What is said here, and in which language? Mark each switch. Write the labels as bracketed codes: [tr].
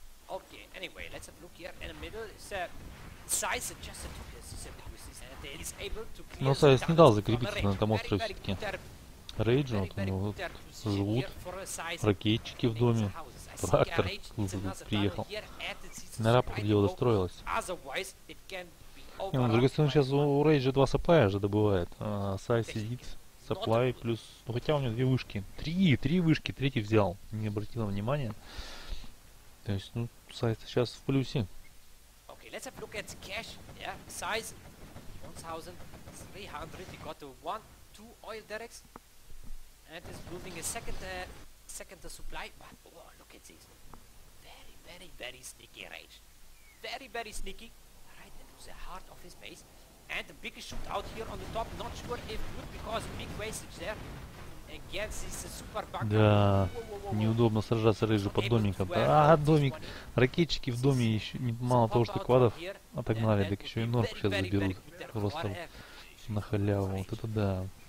[en] Okay, anyway, let's have a look here in the middle. It's a size adjusted to this system with this, and it is able to clear the damage from a range. Very, very good Rage, [ru] вот у него живут ракетчики в доме, трактор приехал, нора походила, достроилась. С другой стороны, сейчас у Рейджа два саплая же добывает, а Сай сидит с supply плюс... Ну хотя у него две вышки. Три вышки, третий взял. Не обратил внимания. То есть, ну, сайт сейчас в плюсе. [en] Okay, let's have a look at the cash. Yeah, size 1300. You got one, two oil derricks. And it's building a second supply. But, oh, look at this. Very, very, very sneaky range. Very, very sneaky. Right into the heart of his base. And the biggest shootout here on the top. Not sure if good because big wastage there. [ru] Да, неудобно сражаться рыжу под домиком. А, домик, ракетчики в доме еще не, мало того, что квадов отогнали, так еще и норку сейчас заберут просто на халяву. Вот это да.